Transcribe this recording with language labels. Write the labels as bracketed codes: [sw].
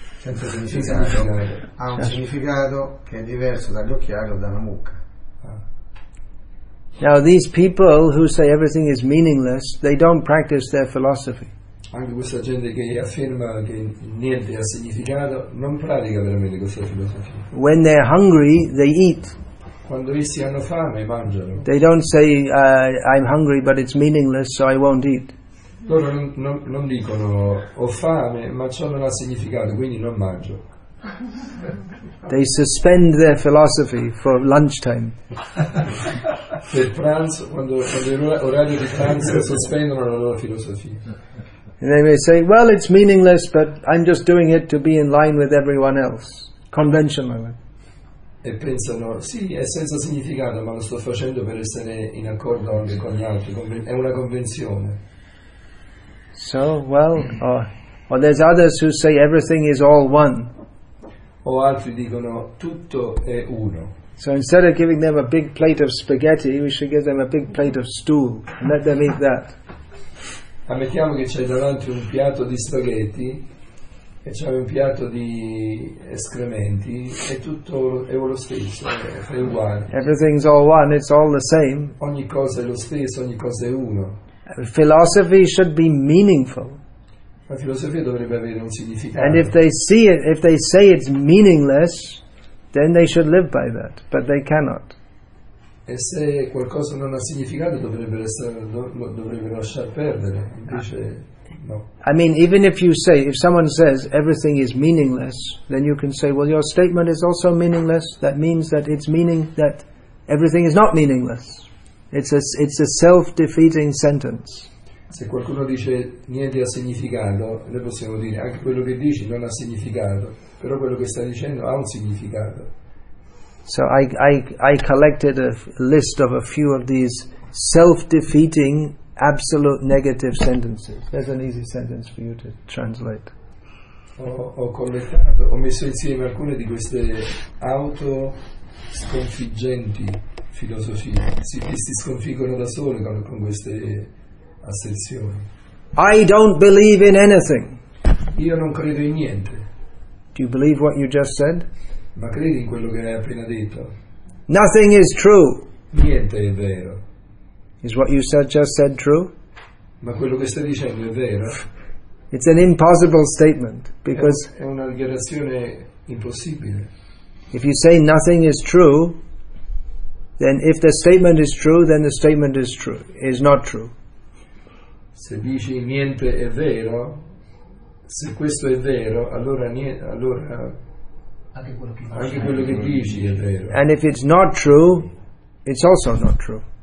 [it] Senza significato, ha un significato che è diverso dagli occhiali o da una mucca. [en] Now these people who say everything is meaningless, they don't practice their philosophy. [it] Anche questa gente che afferma che niente ha significato non pratica veramente questa filosofia. [en] When they're hungry, they eat. [it] Quando essi hanno fame, mangiano. [en] They don't say I'm hungry, but it's meaningless, so I won't eat. [it] Loro non dicono ho fame, ma ciò non ha significato, quindi non mangio. [en] They suspend their philosophy for lunchtime. [it] Per pranzo, quando è orario di pranzo, sospendono la loro filosofia. [en] And they may say, well, it's meaningless, but I'm just doing it to be in line with everyone else, conventionally. [it] E pensano, sì, è senza significato, ma lo sto facendo per essere in accordo anche con gli altri, è una convenzione. [en] So, well, or there's others who say everything is all one. [it] O altri dicono, tutto è uno. [en] So instead of giving them a big plate of spaghetti, we should give them a big plate of stool and let them eat that. [it] Ammettiamo che c'è davanti un piatto di spaghetti e c'è un piatto di escrementi e tutto è lo stesso, è uguale. [en] Everything's all one, it's all the same. [it] Ogni cosa è lo stesso, ogni cosa è uno. [en] Philosophy should be meaningful. [it] La filosofia dovrebbe avere un significato. [en] And if they see it, if they say it's meaningless, then they should live by that, but they cannot. [it] E se qualcosa non ha significato, dovrebbero lasciar perdere. Invece, no. [en] I mean, even if you say, if someone says everything is meaningless, then you can say, well, your statement is also meaningless. That means that it's meaning that everything is not meaningless. It's a self-defeating sentence. [it] Se qualcuno dice niente ha significato, noi possiamo dire anche quello che dici non ha significato, però quello che stai dicendo ha un significato. [en] So I collected a list of a few of these self-defeating absolute negative sentences. There's an easy sentence for you to translate. [it] Ho messo insieme alcune di queste auto sconfiggenti filosofie. Si sconfiggono da soli con queste asserzioni. [en] I don't believe in anything. [it] Io non credo in niente. [en] Do you believe what you just said? [it] Ma credi in quello che hai appena detto? [en] Nothing is true. [it] Niente è vero. [en] Is what you said just said true? [it] Ma quello che stai dicendo è vero? [en] It's an impossible statement because [it] è una dichiarazione impossibile. [en] If you say nothing is true, then if the statement is true, then the statement is true, is not true. [it] Se dici niente è vero, se questo è vero, allora anche quello che dici è vero. [en] And if it's not true, it's also not true.